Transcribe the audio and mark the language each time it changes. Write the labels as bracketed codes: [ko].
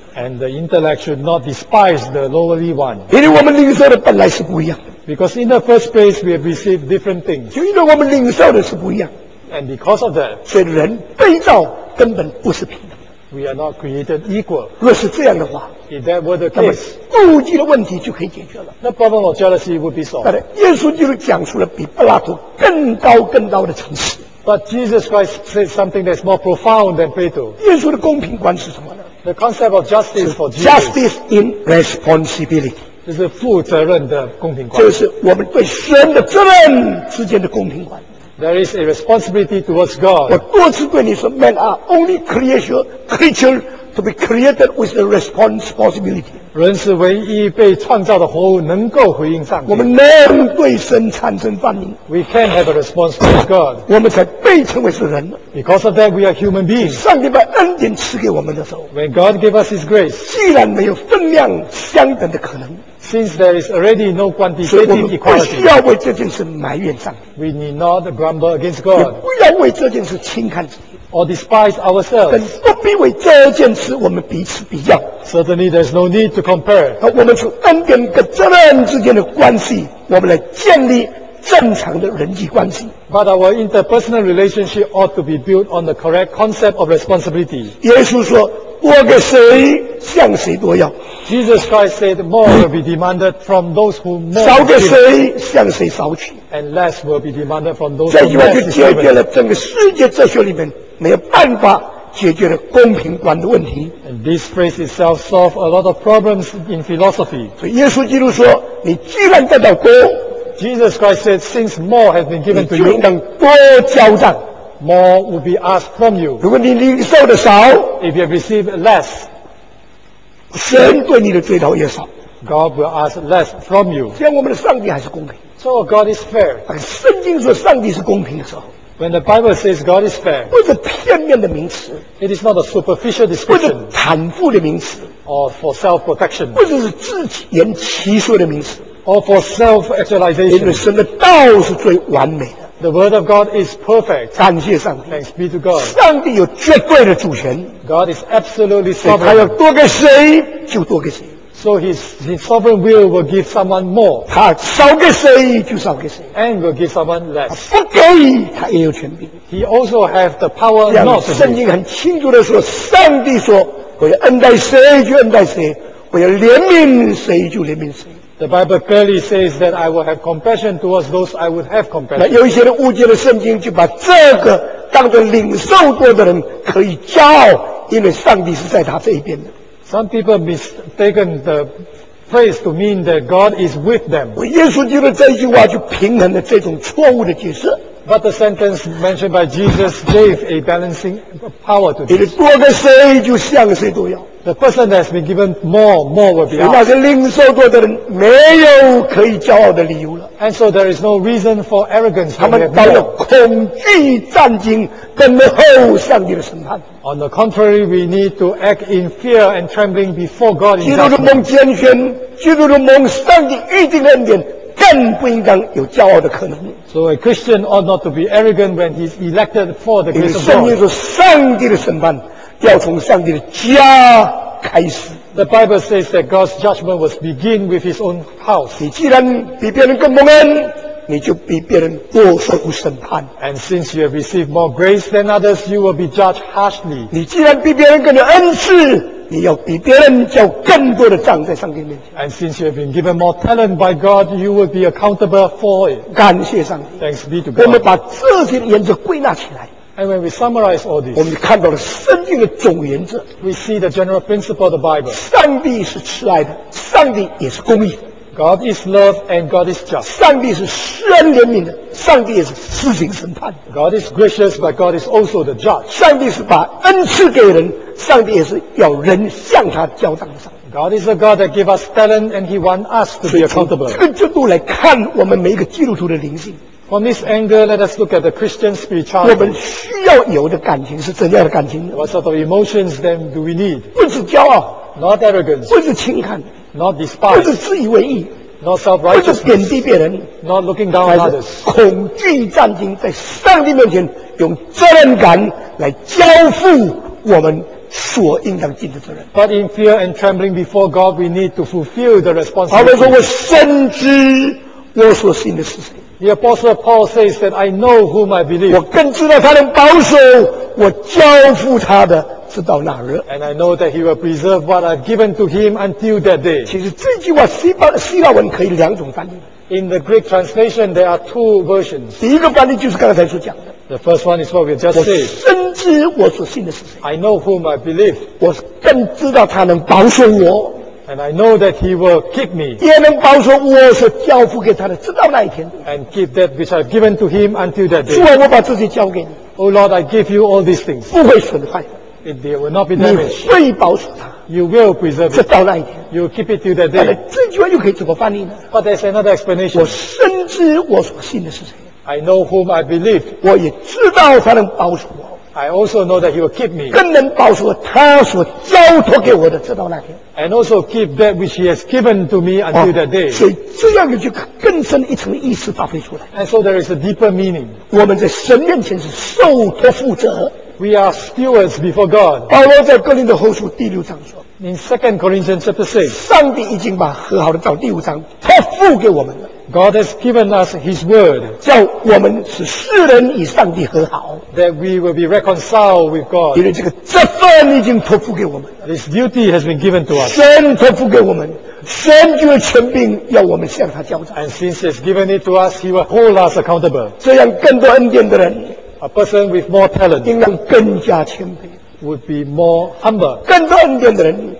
[en] And the intellect should not despise the lowly one. [zh] 因为我们领受的本来是不一样。 [en] Because in the first place we have received different things. [zh] 就因为我们领受的是不一样。 [en] And because of that, [zh] 所以人被造根本不是平等。 [en] We are not created equal. [zh] 若是这样的话， [en] if that were the case, [zh] 那么妒忌的问题就可以解决了。 [en] The problem of jealousy would be solved. [zh] 但耶稣就是讲出了比柏拉图更高更高的层次。 [en] But Jesus Christ says something that's more profound than Plato. [zh] 耶稣的公平观是什么呢？ [en] The concept of justice for Jesus. Justice in responsibility. [zh] 就是负责任的公平观。就是我们对神的责任之间的公平观。 [en] There is a responsibility towards God. [zh] 我多次对你说 [en] ，Men are only creature to be created with a responsibility. [zh] 人是唯一被创造的活物，能够回应上帝。我们能对神产生反应。 [en] We can have a response towards God. [zh] 我们才被称为是人。 [en] Because of that, we are human beings. [zh] 上帝把恩典赐给我们的时候 [en] ，When God gave us His grace, [zh] 既然没有分量相等的可能。 [en] Since there is already no quantitative equality, [zh] 所以我们不需要为这件事埋怨上帝。 [en] We need not grumble against God. [zh] 也不要为这件事轻看自己。 [en] Or despise ourselves. [zh] 更不必为这件事我们彼此比较。 [en] Certainly, there's no need to compare. [zh] 而我们从恩典跟责任之间的关系，我们来建立正常的人际关系。 [en] But our interpersonal relationship ought to be built on the correct concept of responsibility. [zh] 耶稣说。我给谁向谁多要 [en] Jesus Christ said more will be demanded from those who more [zh] 少给谁向谁少取 [en] and less will be demanded from those who less [zh] 这句话就解决了整个世界哲学里面没有办法解决了公平观的问题 [en] and this phrase itself solves a lot of problems in philosophy [zh] 所以耶稣基督说你既然得到多 [en] Jesus Christ said since more has been given to you [zh] 你就应当多交账 [en] More will be asked from you. [zh] 如果你领受的少 [en] if you receive less, [zh] 神对你的追讨也少 [en] God will ask less from you. [zh] 这样我们的上帝还是公平 [en] So God is fair. [zh] 当圣经说上帝是公平的时候 [en] When the Bible says God is fair, [zh] 不是片面的名词 [en] It is not a superficial description. [zh] 不是袒护的名词 [en] Or for self-protection. [zh] 不是自圆其说的名词 [en] Or for self-actualization. [zh] 因为神的道是最完美的 [en] The word of God is perfect. [zh] 感谢上帝。 [en] Thanks be to God. [zh] 上帝有绝对的主权。 [en] God is absolutely sovereign. [zh] 他要多给谁就多给谁。 [en] So his sovereign will give someone more. [zh] 他少给谁就少给谁。 [en] And will give someone less. [zh] 他不给他也有权柄。 [en] He also have the power not to give. [zh] 圣经很清楚地说，上帝说，我要恩待谁就恩待谁，我要怜悯谁就怜悯谁。 [en] The Bible clearly says that I will have compassion towards those I would have compassion. [zh] 那有一些人误解了圣经，就把这个当作领受过的人可以骄傲，因为上帝是在他这一边的。 [en] Some people mistaken the phrase to mean that God is with them. [zh] 我耶稣基督这句话就平衡了这种错误的解释。 [en] But the sentence mentioned by Jesus gave a balancing power to this. [zh] 你多给谁，就向谁都要。 [en] The person that has been given more will be asked. [zh] 那些领受过的人没有可以骄傲的理由了。 [en] And so there is no reason for arrogance. [zh] 他们倒要恐惧战惊，跟候上帝的审判。 [en] On the contrary, we need to act in fear and trembling before God. [zh] 基督的蒙拣选，基督的蒙上帝预定恩典。更不应当有骄傲的可能。 [en] So a Christian ought not to be arrogant when he's elected for the grace of God. [zh] 圣经说，上帝的审判要从上帝的家开始。 [en] The Bible says that God's judgment was begin with His own house. [zh] 你既然比别人更蒙恩，你就比别人多受审判。 [en] And since you have received more grace than others, you will be judged harshly. [zh] 你既然比别人更有恩赐。你要比别人交更多的账在上帝面前。 [en] And since you have been given more talent by God, you will be accountable for it. [zh] 感谢上帝。 [en] Thanks be to God. [zh] 我们把这些原则归纳起来。 [en] And when we summarize all this, [zh] 我们看到了圣经的总原则。 [en] We see the general principle of the Bible. [zh] 上帝是慈爱的，上帝也是公义的。 [en] God is love and God is just. [zh] 上帝是施恩怜悯的，上帝也是施行审判。 [en] God is gracious, but God is also the judge. [zh] 上帝是把恩赐给人，上帝也是要人向他交账的上帝。 [en] God is a God that gives us talent and He wants us to be accountable. [zh] 所以从这个角度来看，我们每一个基督徒的灵性。 [en] From this angle, let us look at the Christian spirituality. [zh] 我们需要有的感情是怎样的感情呢 [en] ？What sort of emotions then do we need? [zh] 不是骄傲 [en] ，not arrogance. [zh] 不是轻看。 [en] Not despise, [zh] 不是自以为意 [en] not self-righteousness, [zh] 不是贬低别人 [en] not looking down others, [zh] 还是恐惧战惊在上帝面前用责任感来交付我们所应当尽的责任 [en] But in fear and trembling before God we need to fulfill the responsibility [zh] 保罗说我深知我所信的是谁 [en] The apostle Paul says that I know whom I believe [zh] 我更知道他能保守我交付他的直到那日。 [en] And I know that he will preserve what I've given to him until that day. [zh] 其实这句话希腊文可以两种翻译。 [en] In the Greek translation, there are two versions. [zh] 第一个翻译就是刚才所讲的。 [en] The first one is what we just said. [zh] 我深知我所信的是谁。 [en] I know whom I believe. [zh] 我更知道他能保守我。 [en] And I know that he will keep me. [zh] 也能保守我所交付给他的，直到那一天。 [en] And keep that which I've given to him until that day. [zh] 主啊，我把自己交给你。 [en] Oh Lord, I give you all these things. [zh] 不会损坏。 [en] It will not be damaged. [zh] 你会保守他。 [en] You will preserve it. [zh] 直到那一天。 [en] You will keep it till that day. [zh] 这句话又可以怎么翻译呢？ [en] But there's another explanation. [zh] 我深知我所信的是谁。 [en] I know whom I believe. [zh] 我也知道他能保守我。 [en] I also know that he will keep me. [zh] 更能保守他所交托给我的，直到那天。 [en] And also keep that which he has given to me until that day. [zh] 所以这样就更深一层意思发挥出来。 [en] And so there is a deeper meaning. [zh] 我们在神面前是受托负责。 [en] We are stewards before God. [zh] 保罗在哥林多后书第六章说。 [en] In 2 Corinthians chapter 6. [zh] 上帝已经把和好的道第五章托付给我们了。 [en] God has given us His word. [zh] 叫我们使世人与上帝和好。 [en] That we will be reconciled with God. [zh] 因为这个这份已经托付给我们。 [en] This duty has been given to us. [zh] 神托付给我们。神就会权柄要我们向他交账。 [en] And since He has given it to us, He will hold us accountable. [zh] 这样更多恩典的人。 [en] A person with more talent. [zh] 应当更加谦卑。 [en] Would be more humble. [zh] 更多恩典的人。